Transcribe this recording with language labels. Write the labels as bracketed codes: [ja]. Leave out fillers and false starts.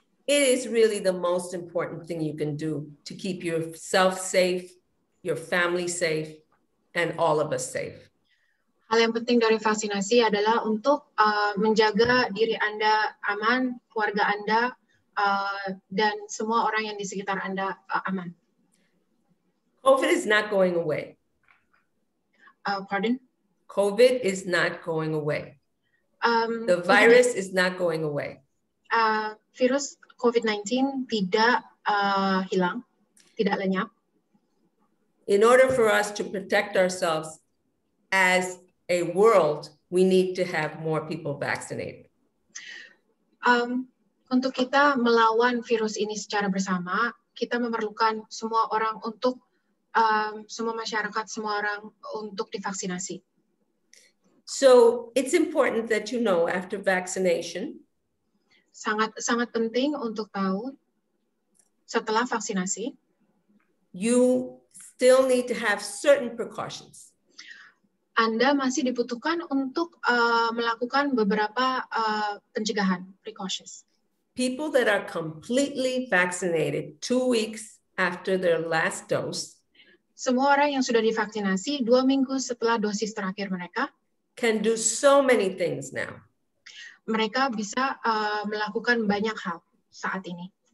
[en] it is really the most important thing you can do to keep yourself safe, your family safe, and all of us safe. [id] Hal yang penting dari vaksinasi adalah untuk menjaga diri Anda aman, keluarga Anda, dan semua orang yang di sekitar Anda aman. [en] COVID is not going away. Pardon? COVID is not going away. The virus is not going away. [id] Virus COVID-19 tidak hilang, tidak lenyap. [en] In order for us to protect ourselves as a world, we need to have more people vaccinated. [id] Untuk kita melawan virus ini secara bersama, kita memerlukan semua orang untuk semua masyarakat, semua orang untuk divaksinasi. [en] So it's important that you know after vaccination. [id] Sangat sangat penting untuk tahu setelah vaksinasi. [en] You still need to have certain precautions. [id] Anda masih dibutuhkan untuk melakukan beberapa pencegahan, precautions. [en] People that are completely vaccinated 2 weeks after their last dose. [id] Semua orang yang sudah divaksinasi 2 minggu setelah dosis terakhir mereka. [en] Can do so many things now. [id] Mereka bisa melakukan banyak hal saat ini.